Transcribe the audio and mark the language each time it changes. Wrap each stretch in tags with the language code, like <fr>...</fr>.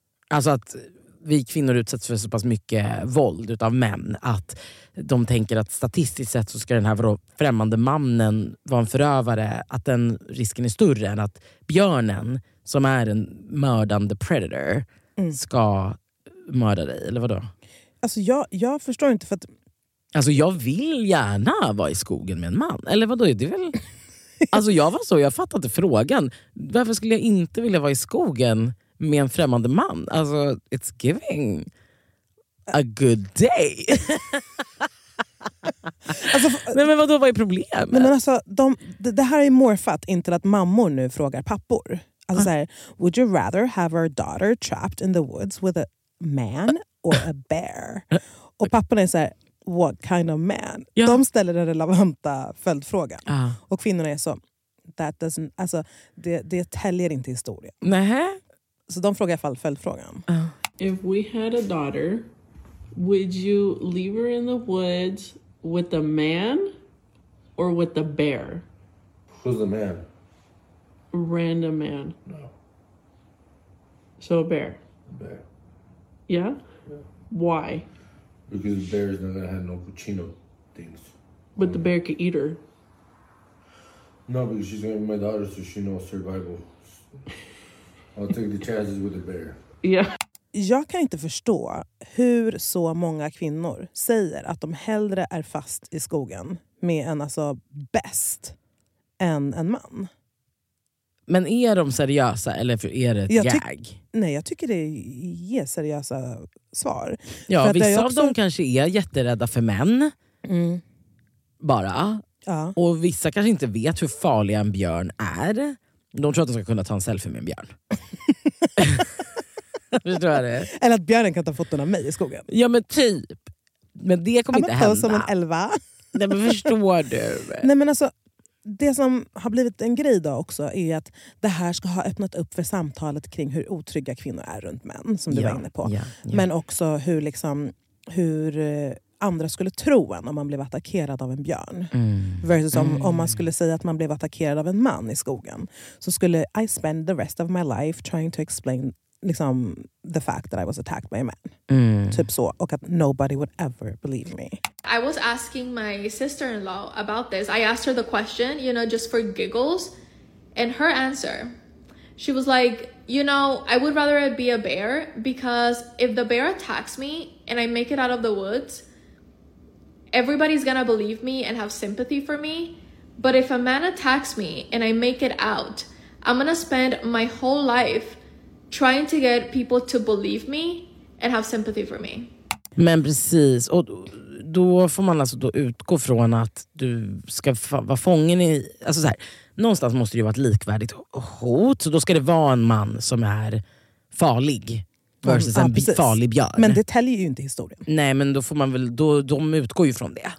<sv>Alltså att vi kvinnor utsätts för så pass mycket våld utav män att de tänker att statistiskt sett så ska den här främmande mannen vara en förövare, att den risken är större än att björnen som är en mördande predator ska mörda dig, eller vadå? Alltså jag förstår inte, för att alltså jag vill gärna vara i skogen med en man, eller vadå, det är väl alltså jag var så, jag fattade frågan, varför skulle jag inte vilja vara i skogen med en främmande man? Alltså,</sv> <en>it's giving a good day.</en> <sv>Alltså, nej, men vadå, vad är problemet? Men alltså, det här är morfat, inte att mammor nu frågar pappor. Alltså såhär,</sv> <en>would you rather have our daughter trapped in the woods with a man or a bear?</en> <sv>Och pappan är såhär,</sv> <en>what kind of man?</en> <sv>Ja. De ställer den relevanta följdfrågan. Och kvinnorna är så,</sv> <en>that doesn't,</en> <sv>alltså, det täljer inte historien. Nähä? Så de frågar i alla fall följdfrågan.</sv> <en>If we had a daughter, would you leave her in the woods with a man or with a bear? Who's the man? Random man. No. So a bear? A bear. Yeah? Yeah. Why? Because bears never had no cucino things. But the bear could eat her. No, because she's gonna be my daughter, so she knows survival. I'll take the chances with a bear. Yeah.</en> <sv>Jag kan inte förstå hur så många kvinnor säger att de hellre är fast i skogen med en alltså best än en man. Men är de seriösa eller är det ett gag? Nej, jag tycker det ger seriösa svar. Ja, för vissa också av dem kanske är jätterädda för män. Bara. Ja. Och vissa kanske inte vet hur farliga en björn är. De tror att de ska kunna ta en selfie med en björn. Förstår jag det? Eller att björnen kan ta foton av mig i skogen. Ja, men typ. Men det kommer inte hända. Som en elva. Nej, men förstår du? Nej, men alltså, det som har blivit en grej då också är att det här ska ha öppnat upp för samtalet kring hur otrygga kvinnor är runt män, som du var inne på. Ja, ja. Men också hur, liksom, hur andra skulle tro en om man blev attackerad av en björn. Mm. Versus om man skulle säga att man blev attackerad av en man i skogen. Så skulle</sv> <en>I spend the rest of my life trying to explain</en> <sv>liksom,</sv> <en>the fact that I was attacked by a man. Mm.</en> <sv>Typ så. Och att</sv> <en>nobody would ever believe me. I was asking my sister-in-law about this. I asked her the question, you know, just for giggles. And her answer, she was like, you know, I would rather it be a bear, because if the bear attacks me and I make it out of the woods, everybody's gonna believe me and have sympathy for me. But if a man attacks me and I make it out, I'm gonna spend my whole life trying to get people to believe me and have sympathy for me.</en> <sv>Men precis. Och då får man alltså då utgå från att du ska vara fången i, alltså så här, någonstans måste det ju vara ett likvärdigt hot, så då ska det vara en man som är farlig versus en farlig björn. Men det täljer ju inte historien. Nej, men då får man väl, de utgår ju från det.</sv>